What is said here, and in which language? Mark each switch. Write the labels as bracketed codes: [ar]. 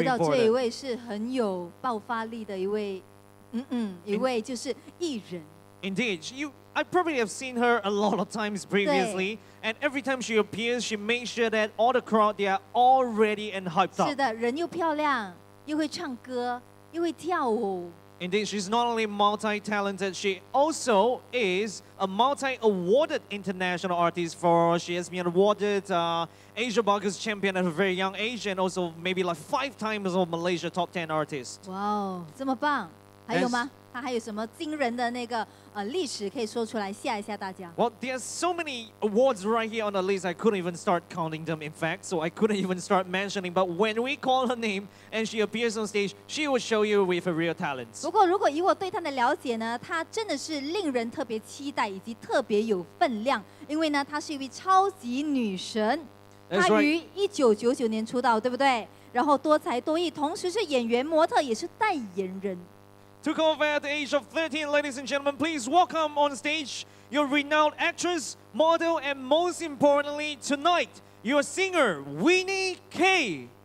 [zh] 我知道这一位是很有爆发力的一位，一位就是艺人。 [en] Indeed, I probably have seen her a lot of times previously, and every time she appears, she makes sure that all the crowd, they are all ready and hyped up. [zh] 是的，人又漂亮，又会唱歌，又会跳舞。 [en] Indeed, she's not only multi-talented, she also is a multi-awarded international artist. She has been awarded Asia Bucket Champion at a very young age, and also maybe like 5 times of Malaysia Top 10 artist. [zh] Wow, 这么棒，还有吗？她还有什么惊人的那个历史可以说出来吓一吓大家 [en] ？Well, there are so many awards right here on the list. I couldn't even start counting them. In fact, so I couldn't even start mentioning. But when we call her name and she appears on stage, she will show you with a real talent. [zh] 不过，如果以我对她的了解呢，她真的是令人特别期待以及特别有分量，因为呢，她是一位超级女神。 [en] That's right. [zh] 她于1999年出道，对不对？然后多才多艺，同时是演员、模特，也是代言人。 [en] Took off at the age of 13, ladies and gentlemen, please welcome on stage your renowned actress, model, and most importantly, tonight, your singer, Winnie K.